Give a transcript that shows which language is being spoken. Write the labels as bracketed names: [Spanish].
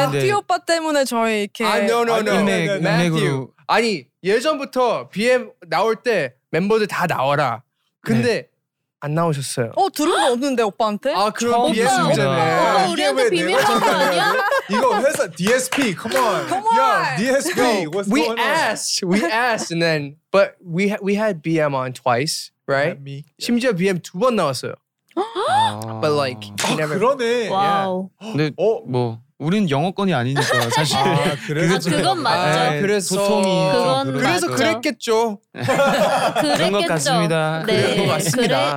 [Korean] 약간 매튜 오빠 때문에 저희 이렇게 인맥으로. 아니 예전부터 BM 나올 때 멤버들 다 나와라. 근데 안 나오셨어요. 어? 들은 거 없는데 오빠한테? 아 그럼 비밀이잖아. 오빠 우리한테 비밀한 거 아니야? 이거 회사 DSP, [English] come on. Come on. Yo, DSP, what's going on? We asked, we asked, and then… But we had BM on twice, right? Me. [Korean] 심지어 BM 두 번 나왔어요. [English] But like, he never… [Korean] 아 그러네. 와우. 근데 뭐… 우린 영어권이 아니니까 사실. 아, 그래서 아, 그건 맞죠. 아, 그래서 소통이 그건 그래서 맞죠. 그랬겠죠. 그런 것 같습니다. 네. 그런 것 같습니다.